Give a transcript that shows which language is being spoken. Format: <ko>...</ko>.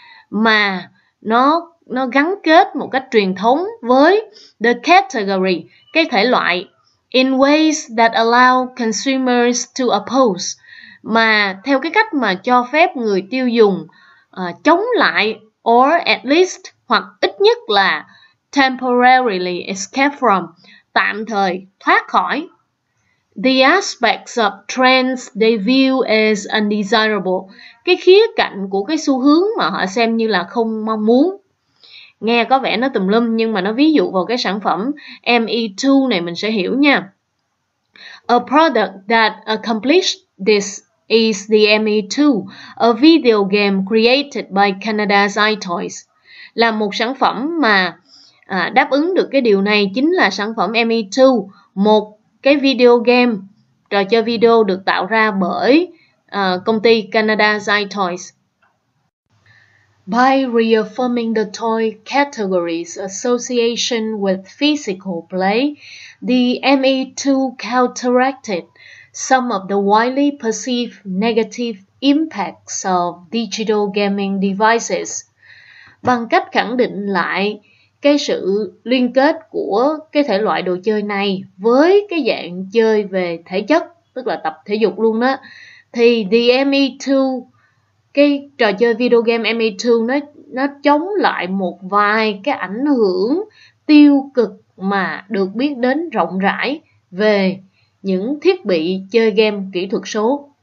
<vi>mà nó gắn kết một cách truyền thống với</vi> <en>the category,</en> <vi>cái thể loại,</vi> <en>in ways that allow consumers to oppose,</en> <vi>mà theo cái cách mà cho phép người tiêu dùng chống lại,</vi> <en>or at least,</en> <vi>hoặc ít nhất là</vi> <en>temporarily escape from,</en> <vi>tạm thời thoát khỏi.</vi> <en>The aspects of trends they view as undesirable.</en> <vi>Cái khía cạnh của cái xu hướng mà họ xem như là không mong muốn. Nghe có vẻ nó tùm lum nhưng mà nó ví dụ vào cái sản phẩm ME2 này mình sẽ hiểu nha.</vi> <en>A product that accomplished this is the ME2, a video game created by Canada's iToys.</en> <vi>Là một sản phẩm mà đáp ứng được cái điều này chính là sản phẩm ME2, một cái video game, trò chơi video được tạo ra bởi công ty Canada's iToys.</vi> <en>By reaffirming the toy category's association with physical play, the ME2 counteracted some of the widely perceived negative impacts of digital gaming devices.</en> <vi>Bằng cách khẳng định lại cái sự liên kết của cái thể loại đồ chơi này với cái dạng chơi về thể chất, tức là tập thể dục luôn đó, thì the ME2, cái trò chơi video game ME2 nó chống lại một vài cái ảnh hưởng tiêu cực mà được biết đến rộng rãi về những thiết bị chơi game kỹ thuật số.</vi>